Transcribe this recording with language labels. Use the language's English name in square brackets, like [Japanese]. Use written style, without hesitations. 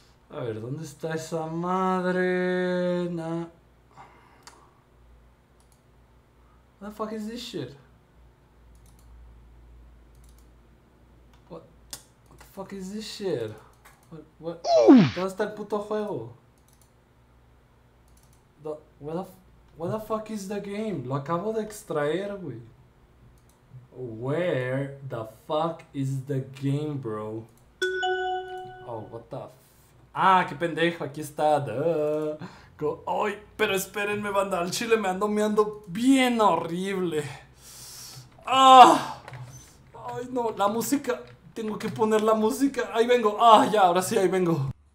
[Spanish] A ver, ¿dónde está esa madre? [English] What the fuck is this shit? What the fuck is this shit? [Spanish] ¿Dónde está el puto juego? [English] Where the fuck is the game? [Spanish] Lo acabo de extraer, güey. [English] Where the fuck is the game, bro? Oh, what the fuck? [Spanish] Ah, qué pendejo, aquí está. Ay, pero espérenme, banda. Al chile me ando meando bien horrible. Ah, ay, no, la música. Tengo que poner la música. Ahí vengo. Ah, ya, ahora sí, ahí vengo.